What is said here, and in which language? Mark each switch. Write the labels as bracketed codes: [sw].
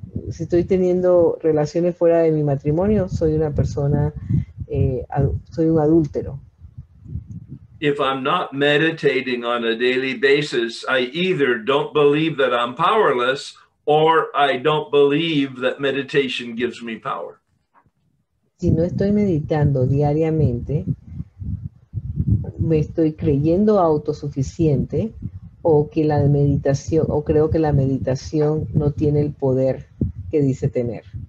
[es] Si estoy teniendo relaciones fuera de mi matrimonio, soy una persona, soy un adúltero. [en] If I'm not meditating on a daily basis, I either don't believe that I'm powerless or I don't believe that meditation gives me power. [es] Si no estoy meditando diariamente, me estoy creyendo autosuficiente o creo que la meditación no tiene el poder que dice tener.